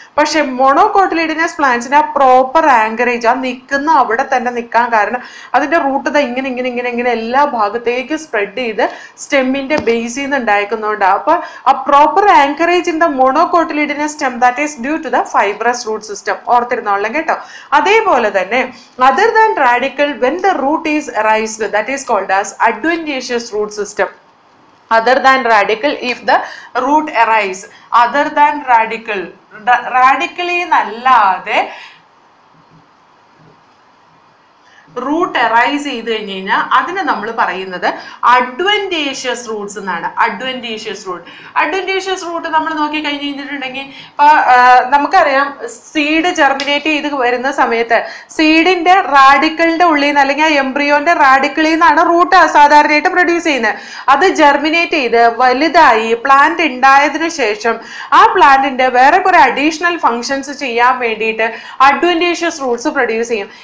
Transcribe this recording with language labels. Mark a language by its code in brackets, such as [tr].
[ml] പക്ഷെ മോണോകോട്ടിലിഡിനസ് പ്ലാന്റ്സിന് ആ proper anchorage, ആ നിൽക്കുന്ന അവിടെ തന്നെ നിൽക്കാൻ കാരണം, അതിന്റെ റൂട്ട് ഇത് ഇങ്ങനെ ഇങ്ങനെ ഇങ്ങനെ ഇങ്ങനെ എല്ലാ ഭാഗത്തേക്ക് സ്പ്രെഡ് ചെയ്ത് സ്റ്റെമ്മിന്റെ ബേസിൽ നിന്ന് ഉണ്ടായിരിക്കുന്നതുകൊണ്ടാണ്. അപ്പൊ [en] ആ proper anchorage in the monocotyledonous stem that is due to the fibrous root system, [ml] ഓർത്തിരുന്നോളാം കേട്ടോ. അതേപോലെ തന്നെ [en] Other than radical when the root is arised that is called as adventitious root system. Other than radical, if the root arises, other than radical, [ml] radically nallade root arise ചെയ്ത് കഴിഞ്ഞ് കഴിഞ്ഞാൽ അതിനെ നമ്മൾ പറയുന്നത് adventitious Roots എന്നാണ്. അഡ്വൻറ്റേഷ്യസ് റൂട്ട്, അഡ്വൻറ്റേഷ്യസ് റൂട്ട് നമ്മൾ നോക്കിക്കഴിഞ്ഞ് കഴിഞ്ഞിട്ടുണ്ടെങ്കിൽ, ഇപ്പം നമുക്കറിയാം സീഡ് ജെർമിനേറ്റ് ചെയ്ത് വരുന്ന സമയത്ത് സീഡിൻ്റെ റാഡിക്കളുടെ ഉള്ളിൽ നിന്ന് അല്ലെങ്കിൽ ആ എംബ്രിയോൻ്റെ റാഡിക്കളിൽ നിന്നാണ് റൂട്ട് സാധാരണയായിട്ട് പ്രൊഡ്യൂസ് ചെയ്യുന്നത്. അത് ജെർമിനേറ്റ് ചെയ്ത് വലുതായി പ്ലാന്റ് ഉണ്ടായതിന് ശേഷം ആ പ്ലാന്റിൻ്റെ വേറെ കുറേ അഡീഷണൽ ഫംഗ്ഷൻസ് ചെയ്യാൻ വേണ്ടിയിട്ട് അഡ്വൻറ്റേഷ്യസ് റൂട്ട്സ് പ്രൊഡ്യൂസ് ചെയ്യും.